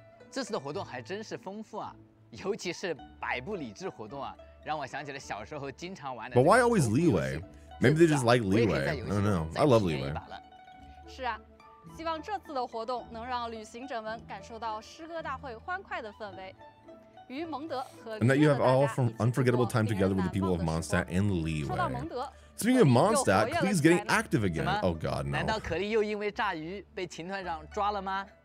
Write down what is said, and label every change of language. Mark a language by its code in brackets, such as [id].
[zh] 这次的活动还真是丰富啊，尤其是百步礼制活动啊。 [en] But why always Liyue? Maybe they just like Liyue. I don't know. I love Liyue. [zh] 是啊，希望这次的活动能让旅行者们感受到诗歌大会欢快的氛围。与蒙德和林 [en] 的 And that you have all from unforgettable time together with the people of Mondstadt and Liyue. [zh] 说到蒙德 [en] Speaking of Mondstadt, Klee's getting active again. Oh god, no. [zh] 难道可莉又因为炸鱼被秦团长抓了吗？